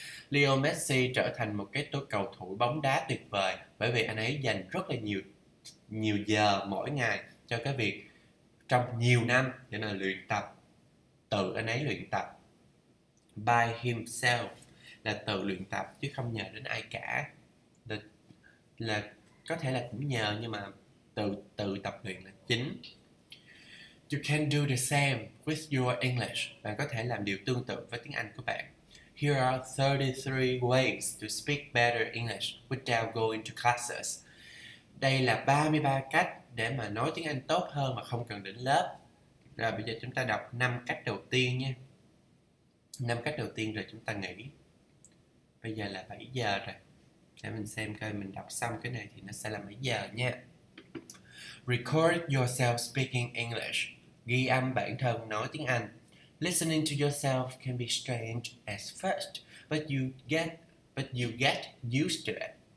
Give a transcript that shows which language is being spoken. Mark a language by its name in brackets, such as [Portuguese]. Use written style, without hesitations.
[Vietnamese] Leo Messi trở thành một cái cầu thủ bóng đá tuyệt vời bởi vì anh ấy dành rất là nhiều giờ mỗi ngày cho cái việc trong nhiều năm, cho nên là luyện tập, tự anh ấy luyện tập. [English] By himself [Vietnamese] là tự luyện tập chứ không nhờ đến ai cả. Là có thể là cũng nhờ nhưng mà tự tập luyện là chính. [English] You can do the same with your English. [Vietnamese] Bạn có thể làm điều tương tự với tiếng Anh của bạn. [English] Here are 33 ways to speak better English without going to classes. [Vietnamese] Đây là 33 cách để mà nói tiếng Anh tốt hơn mà không cần đến lớp. Rồi bây giờ chúng ta đọc 5 cách đầu tiên nha. 5 cách đầu tiên rồi chúng ta nghỉ. Bây giờ là 7 giờ rồi. Để mình xem coi mình đọc xong cái này thì nó sẽ là mấy giờ nha. [English] Record yourself speaking English. [Vietnamese] Ghi âm bản thân nói tiếng Anh. [English] Listening to yourself can be strange at first, but you get used to it.